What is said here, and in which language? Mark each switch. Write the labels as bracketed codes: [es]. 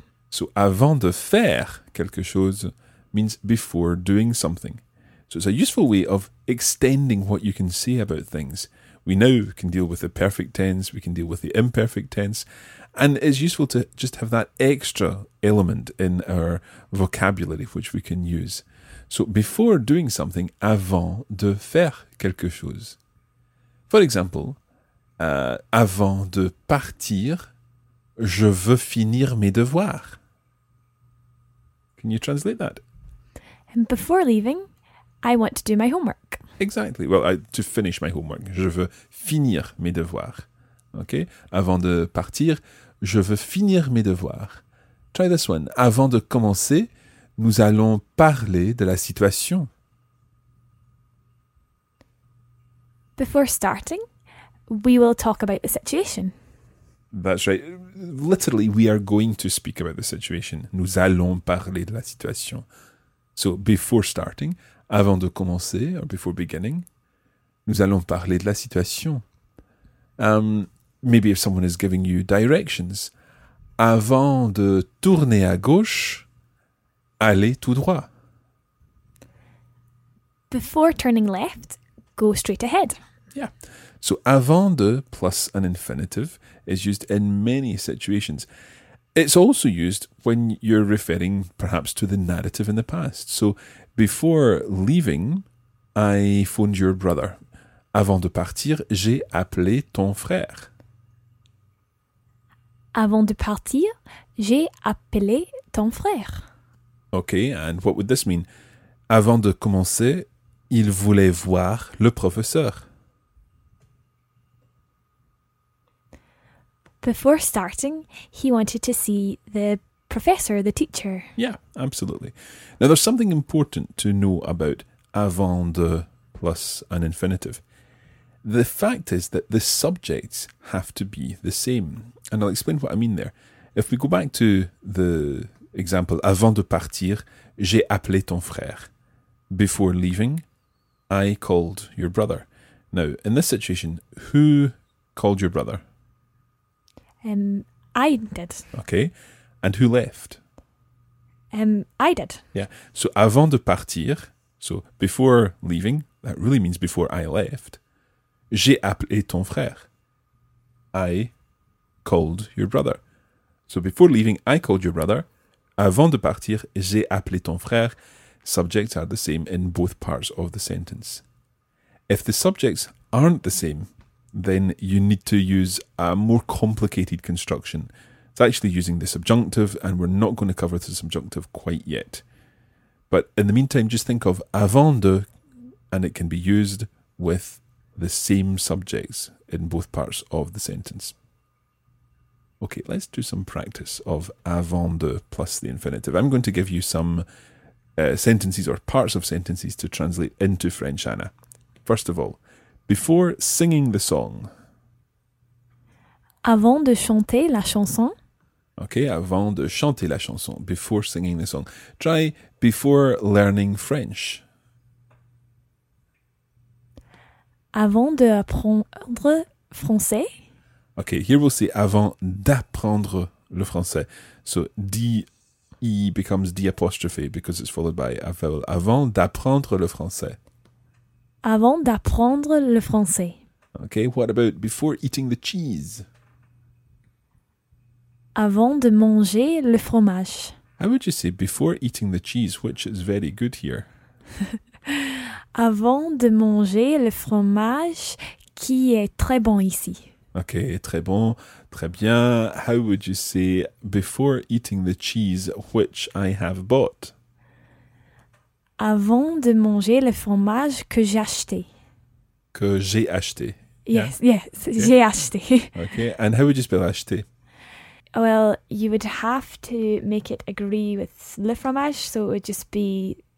[en] So [fr] avant de faire quelque chose [en] means before doing something. So it's a useful way of extending what you can say about things. We now can deal with the perfect tense, we can deal with the imperfect tense, and it's useful to just have that extra element in our vocabulary which we can use. So before doing something, [fr] avant de faire quelque chose. [en] For example, [fr] avant de partir, je veux finir mes devoirs. [en] Can you translate that? And before leaving, I want to do my homework. Exactly. Well, to finish my homework. [fr] Je veux finir mes devoirs. Okay? Avant de partir, je veux finir mes devoirs. [en] Try this one. [fr] Avant de commencer, nous allons parler de la situation. [en] Before starting, we will talk about the situation. That's right. Literally, we are going to speak about the situation. [fr] Nous allons parler de la situation. [en] So, before starting, [fr] avant de commencer, [en] or before beginning, [fr] nous allons parler de la situation. [en] Maybe if someone is giving you directions. [fr] Avant de tourner à gauche, allez tout droit. [en] Before turning left, go straight ahead. Yeah. So avant de plus an infinitive is used in many situations. It's also used when you're referring perhaps to the narrative in the past. So before leaving, I phoned your brother. [fr] Avant de partir, j'ai appelé ton frère. Avant de partir, j'ai appelé ton frère. [en] Okay, and what would this mean? [fr] Avant de commencer, il voulait voir le professeur. [en] Before starting, he wanted to see the professor, the teacher. Yeah, absolutely. Now, there's something important to know about avant de plus an infinitive. The fact is that the subjects have to be the same. And I'll explain what I mean there. If we go back to the example, [fr] avant de partir, j'ai appelé ton frère. [en] Before leaving, I called your brother. Now, in this situation, who called your brother? I did. Okay. And who left? I did. Yeah. So [fr] avant de partir, [en] so before leaving, that really means before I left, [fr] j'ai appelé ton frère. [en] I called your brother. So before leaving, I called your brother. [fr] Avant de partir, j'ai appelé ton frère. [en] Subjects are the same in both parts of the sentence. If the subjects aren't the same, then you need to use a more complicated construction. It's actually using the subjunctive, and we're not going to cover the subjunctive quite yet. But in the meantime, just think of avant de, and it can be used with the same subjects in both parts of the sentence. Okay, let's do some practice of avant de plus the infinitive. I'm going to give you some sentences or parts of sentences to translate into French, Anna. First of all, before singing the song. [fr] Avant de chanter la chanson. [en] Okay, [fr] avant de chanter la chanson, [en] before singing the song. Try before learning French. [fr] Avant de apprendre français. [en] Okay, here we'll say [fr] avant d'apprendre le français. [en] So D-E becomes D apostrophe because it's followed by a vowel. [fr] Avant d'apprendre le français. Avant d'apprendre le français. [en] Okay, what about before eating the cheese? [fr] Avant de manger le fromage. [en] How would you say before eating the cheese, which is very good here? [fr] Avant de manger le fromage qui est très bon ici. Okay, très bon, très bien. [en] How would you say before eating the cheese which I have bought? [fr] Avant de manger le fromage que j'ai acheté. Que j'ai acheté. [en] Yes, okay. [fr] J'ai acheté. [en] Okay, and how would you spell acheté? Well, you would have to make it agree with le fromage, so it would just be...